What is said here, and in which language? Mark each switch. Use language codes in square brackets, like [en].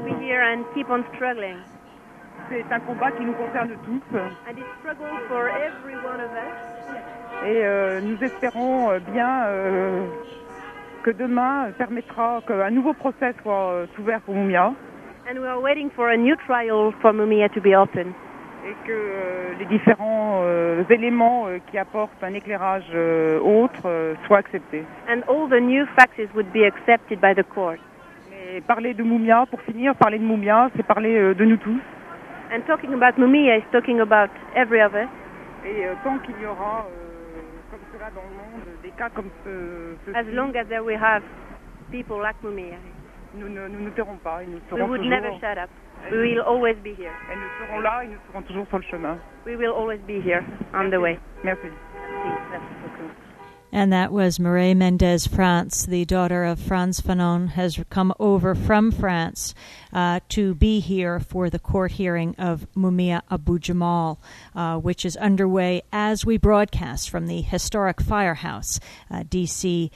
[en] And to be here and keep on struggling. [fr] C'est un combat qui nous concerne tous. [en] And it's a struggle for every one of us. [fr] Et nous espérons bien que demain permettra qu'un nouveau procès soit ouvert pour Mumia. [en] And we are waiting for a new trial for Mumia to be open. [fr] Et que les différents éléments qui apportent un éclairage autre soient acceptés. [en] And all the new facts would be accepted by the court. [fr] Mais parler de Mumia, pour finir, parler de Mumia, c'est parler de nous tous. [en] And talking about Mumia is talking about every of us. [fr] Et tant qu'il y aura comme cela dans le monde, des cas comme ceci, [en] as long as there we have people like Mumia, [fr] nous ne tairons pas, et nous serons [en] we would [fr] toujours, [en] never shut up. We will always be here. [fr] Et nous serons là et nous serons toujours sur le chemin. [en] We will always be here on the way. [fr] Merci. [en] And that was Mireille Mendez-France, the daughter of Franz Fanon, has come over from France to be here for the court hearing of Mumia Abu-Jamal, which is underway as we broadcast from the historic firehouse, D.C.